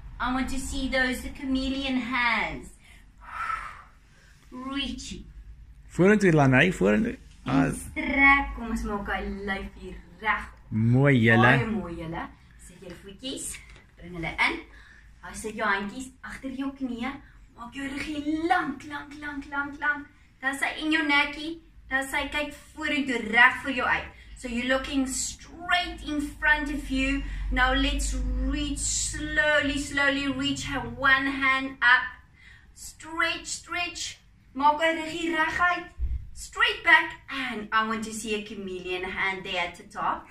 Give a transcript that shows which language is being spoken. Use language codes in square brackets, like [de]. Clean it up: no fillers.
[en] I want to see those the chameleon hands. Reaching. [af] Vorentoe, Lanai. Vorentoe. Strek, kom ons maak hy lyf hier reg. Mooi julle. Baie mooi julle. Sit jou voetjies, bring hulle in. Hou sit jou handjies agter jou knieë. Maak jou rug lank, lank, lank, lank, lank. Dan sy in jou nekkie, dan sy kyk vorentoe reg vir jou uit. [en] So you're looking straight in front of you. Now let's reach slowly, slowly reach her one hand up. Stretch, stretch. [af] Maak hy rug reg uit. [en] Straight back, and I want to see a chameleon hand there at the top.